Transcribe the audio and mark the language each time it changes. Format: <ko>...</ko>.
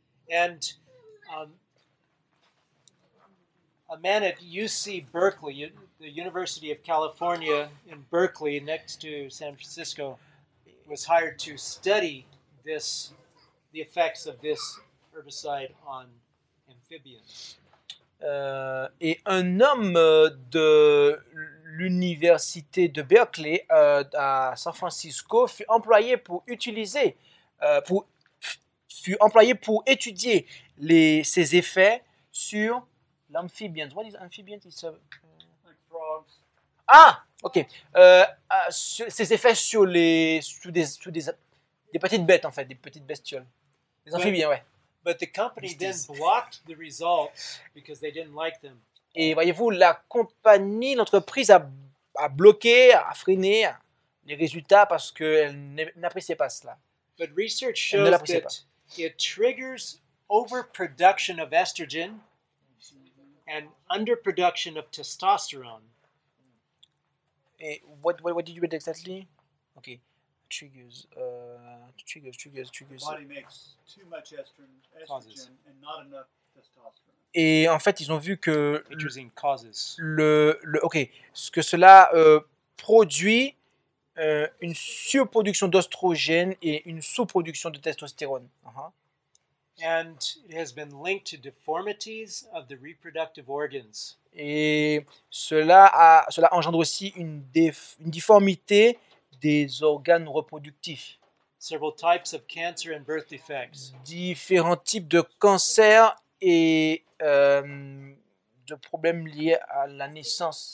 <en>And a man at UC Berkeley, the University of California in Berkeley, next to San Francisco, was hired to study the effects of this herbicide on amphibians.</en> <fr>Et un homme de l'université de Berkeley à San Francisco fut employé pour étudier ses effets sur l'amphibiens.</fr> <en>What is amphibiens? It's a like frogs. Ah, ok.</en> <fr>Ses effets sur des petites bêtes en fait, des petites bestioles. Les amphibiens, ouais.</fr> <en>But the company then blocked the results because they didn't like them.</en> <fr>Et voyez-vous, la compagnie, l'entreprise a bloqué, a freiné les résultats parce qu'elle n'appréciait pas cela.</fr> <en>But research shows that it triggers overproduction of estrogen. And underproduction of testosterone. Et what did you read exactly? Okay, triggers. The body makes too much estrogen and not enough testosterone.</en> <fr>Et en fait, ils ont vu que</fr> <en>atrazine causes</en> <fr>ce que cela produit une surproduction d'œstrogène et une sous-production de testostérone.</fr> <en>And it has been linked to deformities of the reproductive organs.</en> <fr>Et cela engendre aussi une difformité des organes reproductifs.</fr> <en>Several types of cancer and birth defects.</en> <fr>Différents types de cancers et de problèmes liés à la naissance.</fr>